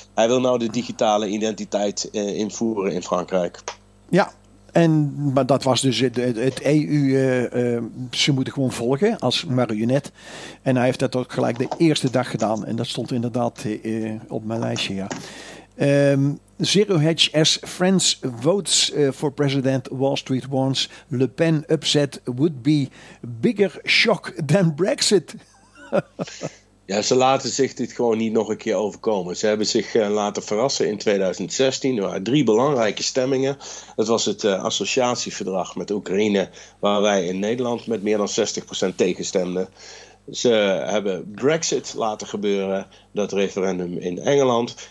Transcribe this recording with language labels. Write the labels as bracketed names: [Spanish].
[Dutch] Hij wil nou de digitale identiteit invoeren in Frankrijk. Ja, en maar dat was dus het EU. Ze moeten gewoon volgen als marionet. En hij heeft dat ook gelijk de eerste dag gedaan. En dat stond inderdaad op mijn lijstje, ja. [English] Zero Hedge as Friends votes for president. Wall Street warns Le Pen upset would be bigger shock than Brexit. [Dutch] Ja, ze laten zich dit gewoon niet nog een keer overkomen. Ze hebben zich laten verrassen in 2016. Er waren drie belangrijke stemmingen. Het was het associatieverdrag met Oekraïne, waar wij in Nederland met meer dan 60% tegenstemden. Ze hebben Brexit laten gebeuren, dat referendum in Engeland.